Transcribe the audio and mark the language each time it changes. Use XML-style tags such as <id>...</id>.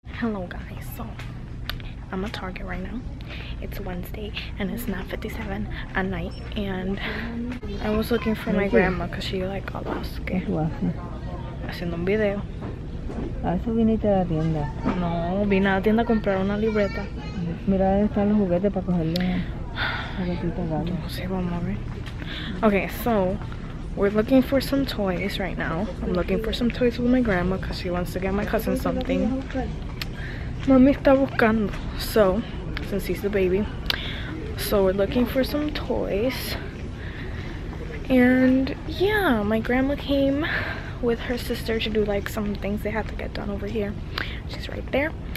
<en>Hello guys, so I'm at Target right now. It's Wednesday and it's 9:57 at night, and I was looking for my grandma because she like got lost.</en> <es>¿Qué tú haces? Haciendo un video. ¿A eso viniste a la tienda? No, vine a la tienda a comprar una libreta. Mira, ahí están los juguetes para cogerle la gatita gana. No sé, vamos a ver.</es> <en>Okay, so we're looking for some toys right now. I'm looking for some toys with my grandma because she wants to get my cousin something.</en> <es>Mami está buscando.</es> <en>So, since he's the baby. So we're looking for some toys. And yeah, my grandma came with her sister to do like some things they had to get done over here. She's right there.</en>